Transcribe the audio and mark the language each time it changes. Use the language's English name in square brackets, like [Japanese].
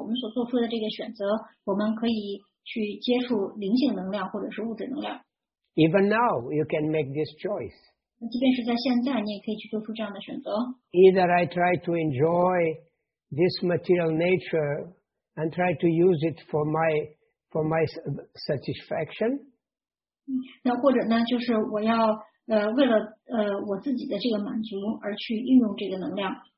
[Chinese] 那所以说呢，我们可以根据我们所做出的这个选择，我们可以 去接触灵性能量或者是物质能量。 [English] Even now, you can make this choice. [Chinese] 即便是在现在，你也可以去做出这样的选择。 [English] Either I try to enjoy this material nature and try to use it for my satisfaction. [Chinese] 那或者呢，就是我要为了我自己的这个满足而去运用这个能量。